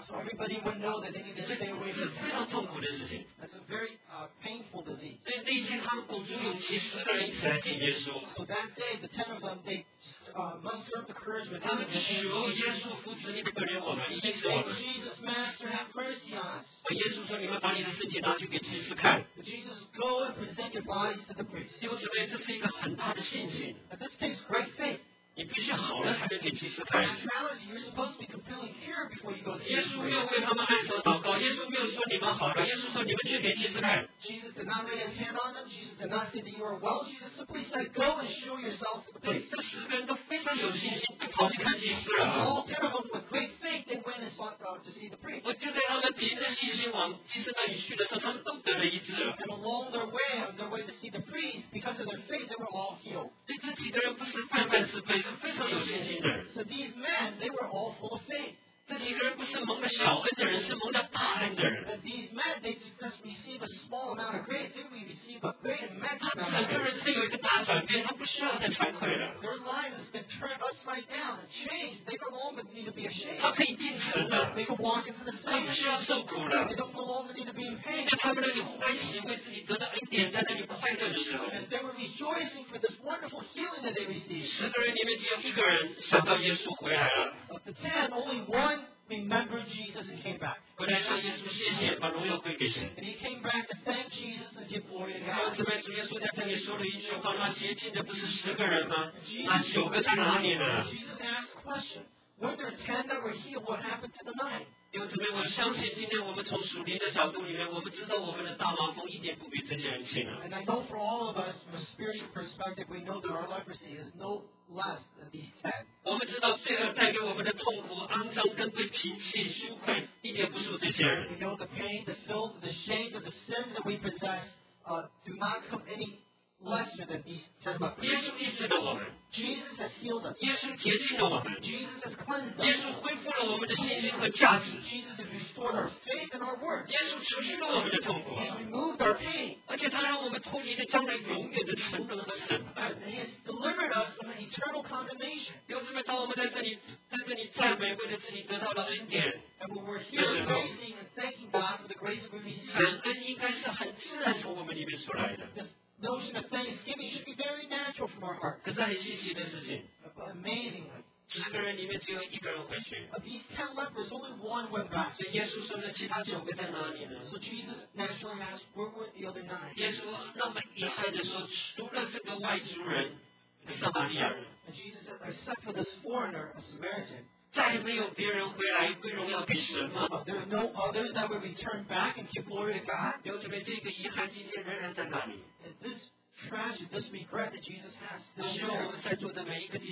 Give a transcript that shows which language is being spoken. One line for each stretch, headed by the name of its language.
English: So everybody would know that they need to stay away from
Chinese: him. 是非常痛苦的事情。
English: That's a very painful disease.
Chinese: 所以那一天他们鼓足勇气，十个人一起来见耶稣。
English: So that day, the 10 of them, they mustered the courage with
Chinese: 他们求耶稣夫子，你可怜我们，医治我们。
English: Say, Jesus, Master, have mercy on us.
Chinese: 耶稣说，你们把你的身体拿去给祭司看。
English: But Jesus, go and present your bodies to the priest.
Chinese: 弟兄姊妹，这是一个很大的信心。
English: But this takes great faith.
Chinese: 你必须好了才能给祭司看。
English: You're supposed to be completely cured before you go to the.
Chinese: 耶稣没有为他们按手祷告，耶稣没有说你们好了，耶稣说你们去给祭司看。
English: Jesus did not lay his hand on them. Jesus did not say that you are well. Jesus simply said, "Go and show yourself to the priest."
Chinese: 这十个人都非常有信心，就跑去看祭司了。
English: All ten of them with great faith they went and sought God to see the priest.
Chinese: 我就在他们凭着信心往祭司那里去的时候，他们都得了医治。
English: And along their way, on their way to see the priest, because of their faith, they were all healed.
Chinese: 这几个人不是泛泛之辈。是非常有信心的人。
English: So these men, they were all full of faith.
Chinese: 这几个人不是蒙了小恩的人，是蒙了大恩的人。
English: And these men, they just receive a small amount of grace, they will receive a great amount of grace.
Chinese: 他整个人是有一个大转变，他不需要再惭愧了。
English: Their lives have been turned upside down and changed. They no longer need to be ashamed.
Chinese: 他可以进城了。
English: They can walk into the city.
Chinese: 他不需要受苦了。
English: They no longer need to be in pain.
Chinese: 在他们那里欢喜为自己得到恩典，在那里快乐的时候。
English: And they were rejoicing for this wonderful healing that they received.
Chinese: 十个人里面只有一个人想到耶稣回来了。
English: But the ten, only one remember Jesus and came back. And he came back to thank Jesus and give glory to God.
Chinese: 刚才主耶稣在这里说了一句话，那洁净的不是十个人吗？那九个在哪里呢？
English: Jesus asked a question. Were there 10 that were healed? What happened to the 9?
Chinese: 因为姊妹，我相信今天我们从属灵的角度里面，我们知道我们的大麻风一点不比这些人轻啊。And
English: I know for all of us, from a spiritual perspective, we know that our leprosy is no less than these 10.
Chinese: 我们知道罪恶带给我们的痛苦、肮脏跟被摒弃、羞愧，一点不输这些人。
English: We know the pain, the filth, the shame, and the sin that we possess do not come any lesser than these 10 lepers.
Chinese: 耶稣医治了我们。
English: Jesus has healed us.
Chinese: 耶稣洁净了我们。
English: Jesus has cleansed us.
Chinese: 耶稣恢复了我们的信心和价值。
English: Jesus has restored our faith and our worth.
Chinese: 耶稣除去了我们的痛苦。
English: He has removed our pain.
Chinese: 而且他让我们脱离了将来永远的沉沦和审判。
English: He has delivered us from an eternal condemnation.
Chinese: 弟兄姊妹，当我们在这里赞美，为了自己得到了恩典。
English: And when we're here praising and thanking God for the grace we receive.
Chinese: 感恩应该是很自然从我们里面出来的。
English: The notion of thanksgiving should be very natural from our hearts. Amazingly. Of these 10 lepers, only one went back. So Jesus naturally asked, where were the other 9? And Jesus said, except for this foreigner, a Samaritan,
Chinese: 再没有别人回来归荣耀给神吗？
English: There are no others that will return back and give glory to God.
Chinese: 弟兄姊妹，这个遗憾今天仍然在哪里？
English: And this tragedy, this regret that Jesus has still there.